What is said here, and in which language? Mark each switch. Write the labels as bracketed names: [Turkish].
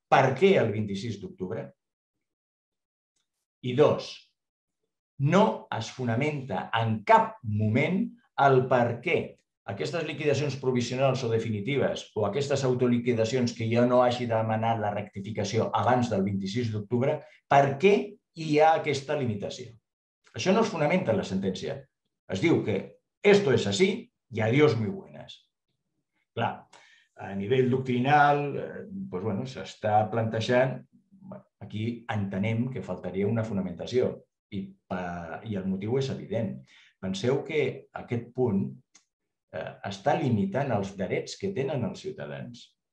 [Catalan] Per què el 26 d'octubre? I dos, no es fonamenta en cap moment el per què aquestes liquidacions provisionals o definitives o aquestes autoliquidacions que jo no hagi demanat la rectificació abans del 26 d'octubre, per què hi ha aquesta limitació? Això no es fonamenta en la sentència. [Spanish] Es diu que esto es así y adiós muy buenas. [Catalan] Clar, a nivell doctrinal, doncs, bueno, s'està plantejant, aquí entenem que faltaria una fonamentació i el motiu és evident. Penseu que aquest punt està limitant els drets que tenen els ciutadans.